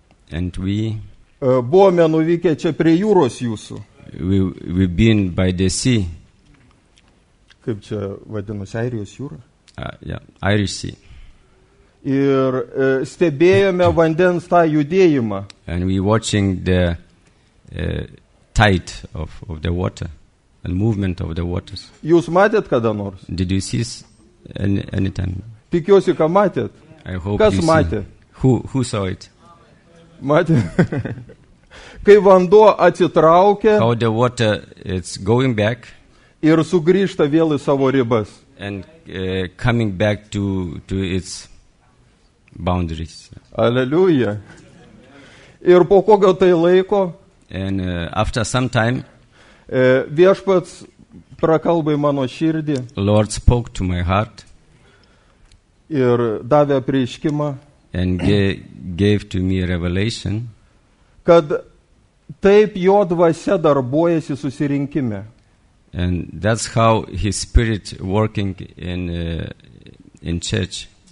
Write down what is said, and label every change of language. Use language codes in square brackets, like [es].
[en] and we [lt] buvome nuvykę čia prie jūros jūsų. [en] We've been by the sea. [lt] Kaip čia vadinasi, Airijos jūra? [en] Yeah, Irish Sea. [lt] Ir stebėjome vandens tą judėjimą. [en] And we watching the tide of the water and movement of the waters. [lt] Jūs matėt kada nors? [en] Did you see anytime? [lt] Tikiuosi, ką matėt. [en] I hope [lt] kas [en] you [lt] matė? [en] Who saw it? [lt] Matė. Kai vanduo atsitraukė. [en] How the water it's going back. [lt] Ir sugrįžta vėl į savo ribas. [en] And coming back to its boundaries. [lt] Aleliuja. Ir po kokio tai laiko. [en] And after some time, [lt] Viešpats prakalbėjo mano širdį. [en] Lord spoke to my heart. [lt] Ir davė apreiškimą. [en] And gave to me a revelation. [lt] Kad taip jo dvasia darbuojasi susirinkime. [en] And that's how his spirit working in church.